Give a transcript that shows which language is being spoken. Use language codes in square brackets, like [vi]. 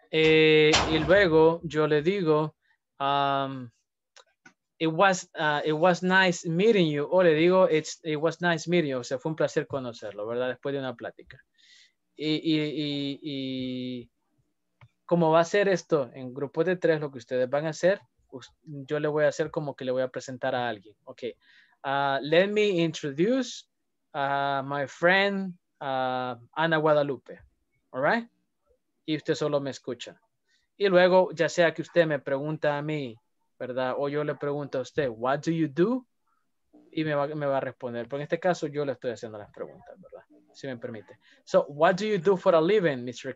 [es] Y luego yo le digo, [en] it was nice meeting you. [es] O le digo, [en] it was nice meeting you. [es] O sea, fue un placer conocerlo, ¿verdad? Después de una plática. Y como va a ser esto en grupos de tres, lo que ustedes van a hacer, yo le voy a hacer como que le voy a presentar a alguien. [en] Ok. Let me introduce my friend Ana Guadalupe. All right. [es] Y usted solo me escucha. Y luego, ya sea que usted me pregunta a mí, ¿verdad? O yo le pregunto a usted, [en] what do you do? [es] Y me va a responder. Pero en este caso, yo le estoy haciendo las preguntas, ¿verdad? Si me permite. [en] So, what do you do for a living, Mr.